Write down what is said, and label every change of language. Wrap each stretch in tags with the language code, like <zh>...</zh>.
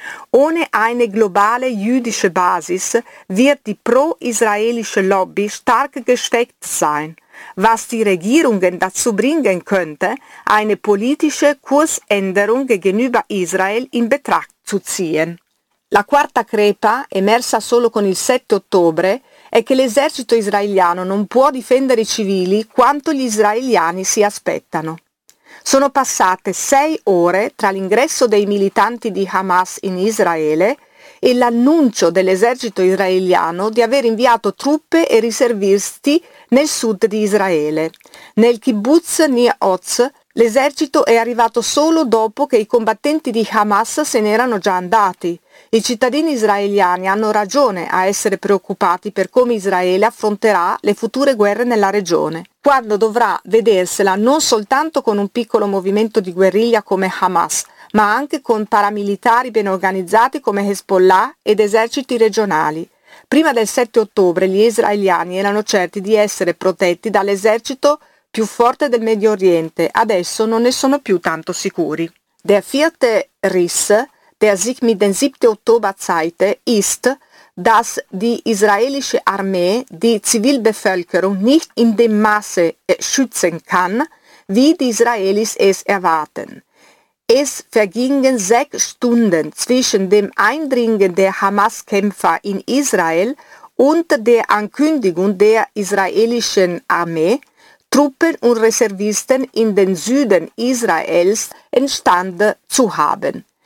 <de>Ohne eine globale jüdische Basis wird die pro-israelische Lobby stark geschwächt sein, was die Regierungen dazu bringen könnte, eine politische Kursänderung gegenüber Israel in Betracht zu ziehen.</de> <it>La quarta crepa, emersa solo con il 7 ottobre, è che l'esercito israeliano non può difendere i civili quanto gli israeliani si aspettano. Sono passate 6 ore tra l'ingresso dei militanti di Hamas in Israele e l'annuncio dell'esercito israeliano di aver inviato truppe e riservisti nel sud di Israele. Nel kibbutz Nir Oz l'esercito è arrivato solo dopo che i combattenti di Hamas se ne erano già andati. I cittadini israeliani hanno ragione a essere preoccupati per come Israele affronterà le future guerre nella regione, quando dovrà vedersela non soltanto con un piccolo movimento di guerriglia come Hamas, ma anche con paramilitari ben organizzati come Hezbollah ed eserciti regionali. Prima del 7 ottobre gli israeliani erano certi di essere protetti dall'esercito più forte del Medio Oriente, adesso non ne sono più tanto sicuri.</it> <de>Der vierte Riss, der sich mit dem 7. Oktober zeigte, ist, dass die israelische Armee die Zivilbevölkerung nicht in dem Maße schützen kann, wie die Israelis es erwarten. Es vergingen 6 Stunden zwischen dem Eindringen der Hamas-Kämpfer in Israel und der Ankündigung der israelischen Armee, Truppen und Reservisten in den Süden Israels entstanden zu haben.</de>